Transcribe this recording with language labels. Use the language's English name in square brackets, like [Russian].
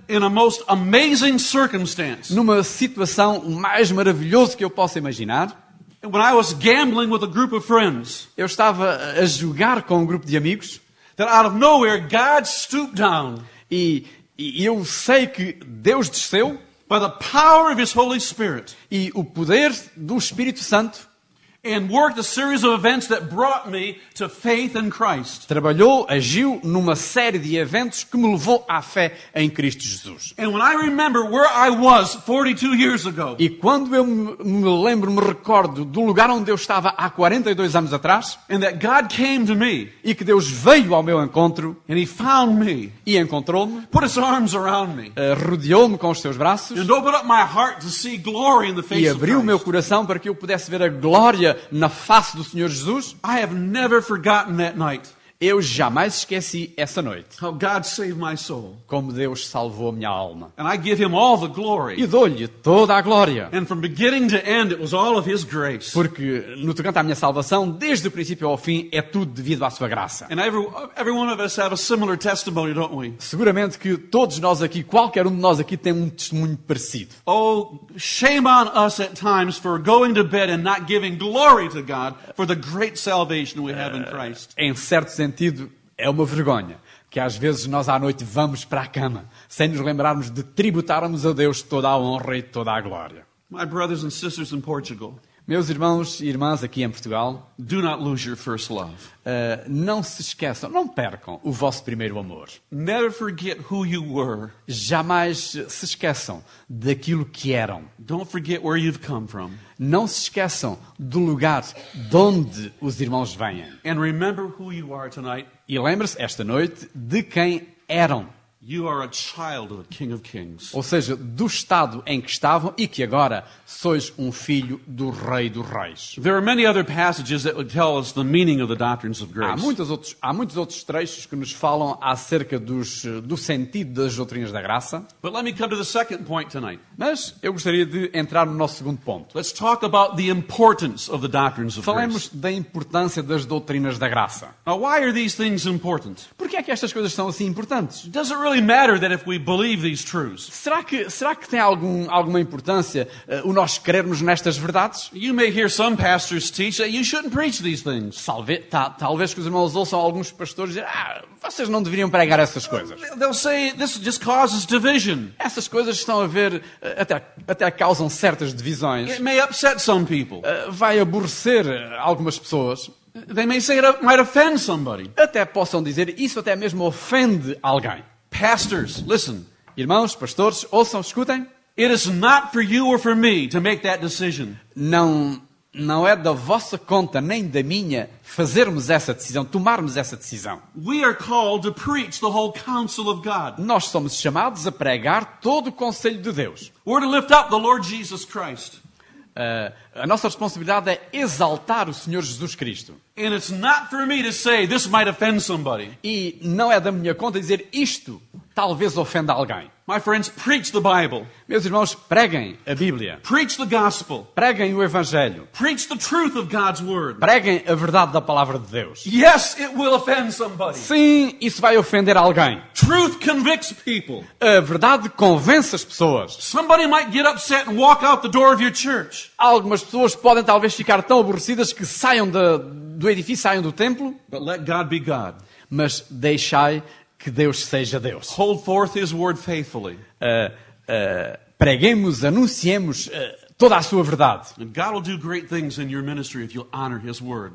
[English] In a most amazing circumstance. [Portuguese] Numa situação mais maravilhosa que eu possa imaginar. [English] When I was gambling with a group of friends. [Portuguese] Eu estava a jogar com um grupo de amigos. [English] That out of nowhere, God stooped down. [Portuguese] E eu sei que Deus desceu. [English] By the power of his Holy Spirit. [Portuguese] E o poder do Espírito Santo. [English] And worked a series of events that brought me to faith in Christ. [Portuguese] Trabalhou, agiu numa série de eventos que me levou à fé em Cristo Jesus. [English] And when I remember where I was 42 years ago. [Portuguese] E quando eu me lembro, me recordo do lugar onde eu estava há 42 anos atrás. [English] And that God came to me. [Portuguese] E que Deus veio ao meu encontro. [English] And he found me. [Portuguese] E encontrou-me. [English] Put his arms around me. [Portuguese] Rodeou-me com os seus braços. [English] And opened up my heart to see glory in the face of Christ. [Portuguese] E abriu o meu coração para que eu pudesse ver a glória na face do Senhor Jesus. [English] I have never forgotten that night. [Portuguese] Eu jamais esqueci essa noite. [English] How God saved my soul. [Portuguese] Como Deus salvou a minha alma. [English] And I give him all the glory. [Portuguese] E dou-lhe toda a glória. [English] And from beginning to end, it was all of his grace. [Portuguese] Porque no tocante à minha salvação, desde o princípio ao fim, é tudo devido à sua graça. [English] And every one of us have a similar testimony, don't we? [Portuguese] Seguramente que todos nós aqui, qualquer um de nós aqui, tem um testemunho parecido. [English] Oh, shame on us at times for going to bed and not giving glory to God for the great salvation we have in Christ. [Portuguese] Em certos sentido, é uma vergonha que às vezes nós à noite vamos para a cama sem nos lembrarmos de tributarmos a Deus toda a honra e toda a glória. [English] My brothers and sisters in Portugal, [Portuguese] meus irmãos e irmãs aqui em Portugal, [English] do not lose your first love. [Portuguese] Não se esqueçam, não percam o vosso primeiro amor. [English] Never forget who you were. [Portuguese] Jamais se esqueçam daquilo que eram. [English] Don't forget where you've come from. [Portuguese] Não se esqueçam do lugar de onde os irmãos vêm. [English] And remember who you are tonight. [Portuguese] E lembre-se esta noite de quem eram. [English] You are a child of the King of Kings. [Portuguese] Ou seja, do estado em que estavam e que agora sois um filho do Rei dos Reis. [English] There are many other passages that would tell us the meaning of the doctrines of grace. [Portuguese] Há muitos outros trechos que nos falam acerca do sentido das doutrinas da graça. [English] But let me come to the second point tonight. [Portuguese] Mas eu gostaria de entrar no nosso segundo ponto. [English] Let's talk about the importance of the doctrines of grace. [Portuguese] Falemos da importância das doutrinas da graça. [English] Now, why are these things important? [Portuguese] Porquê é que estas coisas são assim importantes? [English] Doesn't really matter that if we believe these truths. [Portuguese] Será que tem alguma importância o nós crermos nestas verdades? [English] You may hear some pastors teach that you shouldn't preach these things. [Portuguese] Talvez que os irmãos ouçam alguns pastores dizer: vocês não deveriam pregar essas coisas. [English] They'll say this just causes division. [Portuguese] Essas coisas estão a ver até causam certas divisões. [English] It may upset some people. [Portuguese] Vai aborrecer algumas pessoas. [English] They may say it might offend somebody. [Portuguese] Até possam dizer isso até mesmo ofende alguém. [English] Pastors, listen. [Portuguese] Irmãos, pastores, ouçam, escutem. [English] It is not for you or for me to make that decision. [Portuguese] Não, Não é da vossa conta nem da minha fazermos essa decisão, tomarmos essa decisão. [English] We are called to preach the whole counsel of God. [Portuguese] Nós somos chamados a pregar todo o conselho de Deus. [English] We're to lift up the Lord Jesus Christ. [Portuguese] A nossa responsabilidade é exaltar o Senhor Jesus Cristo. [English] And it's not for me to say this might offend somebody. [Portuguese] E não é da minha conta dizer isto talvez ofenda alguém. [English] My friends, preach the Bible. [Portuguese] Meus irmãos, preguem a Bíblia. [English] Preach the gospel. [Portuguese] Preguem o Evangelho. [English] Preach the truth of God's word. [Portuguese] Preguem a verdade da palavra de Deus. [English] Yes, it will offend somebody. [Portuguese] Sim, isso vai ofender alguém. [English] Truth convicts people. [Portuguese] A verdade convence as pessoas. [English] Somebody might get upset and walk out the door of your church. [Portuguese] Algumas pessoas podem talvez ficar tão aborrecidas que saiam do edifício, saiam do templo. [English] But let God be God. [Portuguese] Mas deixai que Deus seja Deus. [English] Hold forth His word faithfully. [Portuguese] Preguemos, anunciemos toda a sua verdade. [English] And God will do great things in your ministry if you'll honor His word.